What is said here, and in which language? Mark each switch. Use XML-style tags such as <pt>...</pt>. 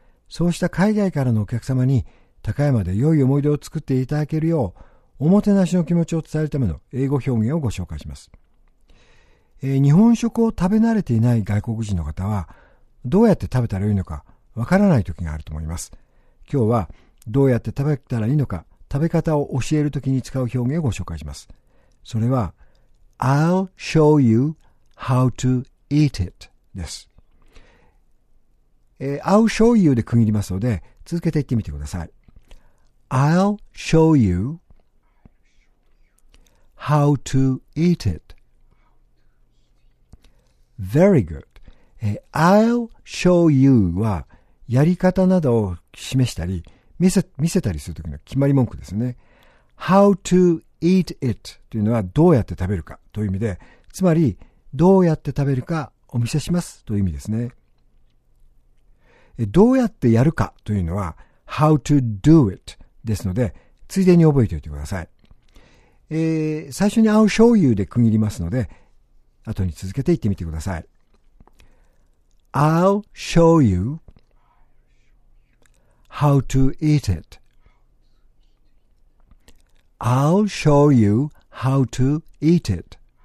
<ja>そうした海外からのお客様に高山で良い思い出を作っていただけるよう、おもてなしの気持ちを伝えるための英語表現をご紹介します。日本食を食べ慣れていない外国人の方は、どうやって食べたらいいのかわからない時があると思います。今日はどうやって食べたらいいのか、食べ方を教えるときに使う表現をご紹介します。それは、</ja> <en>I'll show you how to eat it</en> <ja>です。</ja> <en>I'll show you</en> <ja>で区切りますので、続けて言ってみてください。</ja> <en>I'll show you how to eat it. Very good. I'll show you</en> <ja>は、やり方などを示したり、見せたりするときの決まり文句ですね。</ja> <en>How to eat it</en> <ja>というのはどうやって食べるかという意味で、つまりどうやって食べるかお見せしますという意味ですね。どうやってやるかというのは</ja> <en>How to do it</en> <ja>ですので、ついでに覚えておいてください。最初に</ja> <en>I'll show you</en> <ja>で区切りますので、後に続けて言ってみてください。</ja> <en>I'll show youHow to eat it. I'll show you how to eat it.</en>